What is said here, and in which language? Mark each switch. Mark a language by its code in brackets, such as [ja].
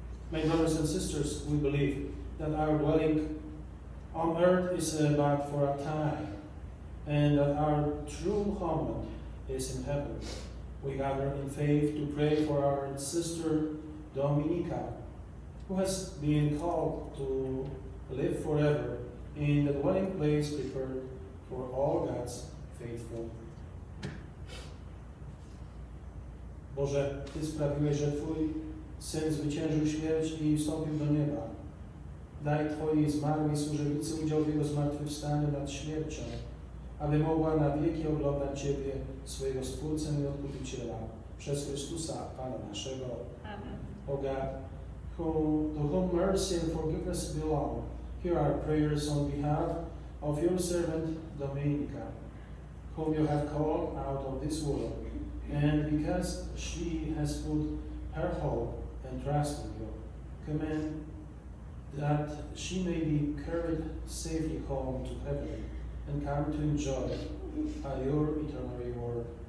[en] My brothers and sisters, we believe that our dwelling on earth is but for a time, and that our true home is in heaven. We gather in faith to pray for our sister Dominika, who has been called to live forever in the dwelling place prepared for all God's faithful. [pl] Boże, Ty sprawiłeś, że Twój Syn zwyciężył śmierć i wstąpił do nieba. Daj Twojej zmarłej służebnicy udział w Jego zmartwychwstaniu nad śmiercią, aby mogła na wieki oglądać Ciebie, swojego Stwórcę i Odkupiciela, przez Chrystusa, Pana naszego. Amen. [en] O God, to whom mercy and forgiveness belong, hear our prayers on behalf of your servant Dominika, whom you have called out of this world, and because she has put her hope and trust in you, command that she may be carried safely home to heaven and come to enjoy your eternal reward.